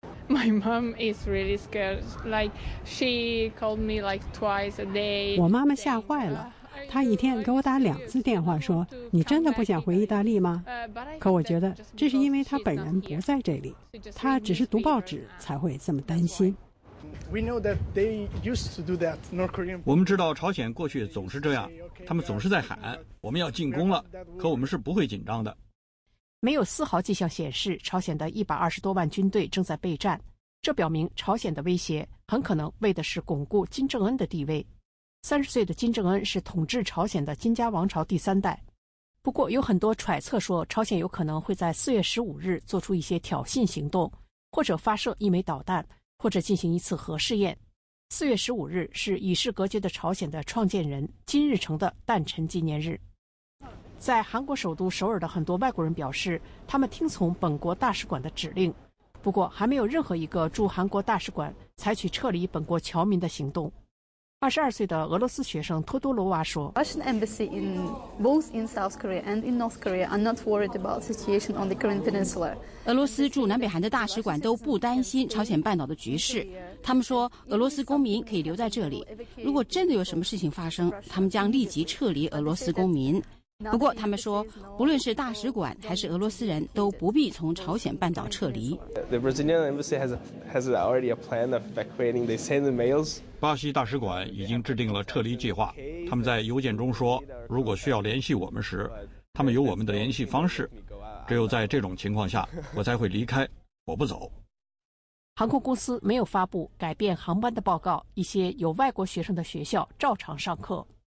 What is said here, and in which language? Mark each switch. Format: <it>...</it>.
<en>My mom is really scared. Like she called me like twice a day.</en> <zh>我妈妈吓坏了，她一天给我打2次电话，说你真的不想回意大利吗？可我觉得这是因为她本人不在这里，她只是读报纸才会这么担心。</zh> <en>We know that they used to do that. North Korean.</en> <zh>我们知道朝鲜过去总是这样，他们总是在喊我们要进攻了，可我们是不会紧张的。没有丝毫迹象显示朝鲜的120多万军队正在备战，这表明朝鲜的威胁很可能为的是巩固金正恩的地位。 30岁的金正恩是统治朝鲜的金家王朝第三代。不过有很多揣测说，朝鲜有可能会在4月15日做出一些挑衅行动，或者发射一枚导弹，或者进行一次核试验。 4月15日是与世隔绝的朝鲜的创建人金日成的诞辰纪念日。在韩国首都首尔的很多外国人表示，他们听从本国大使馆的指令，不过还没有任何一个驻韩国大使馆采取撤离本国侨民的行动。 22岁的俄罗斯学生托多罗娃说</zh> <en>：“Russian embassy in both in South Korea and in North Korea are not worried about situation on the Korean Peninsula。</en> <zh>俄罗斯驻南北韩的大使馆都不担心朝鲜半岛的局势。他们说，俄罗斯公民可以留在这里。如果真的有什么事情发生，他们将立即撤离俄罗斯公民。不过，他们说，不论是大使馆还是俄罗斯人都不必从朝鲜半岛撤离。</zh> <en>The Brazilian embassy has already a plan of evacuating. They send the mails.”</en> <zh>巴西大使馆已经制定了撤离计划，他们在邮件中说，如果需要联系我们时，他们有我们的联系方式，只有在这种情况下我才会离开，我不走。航空公司没有发布改变航班的报告，一些有外国学生的学校照常上课。</zh>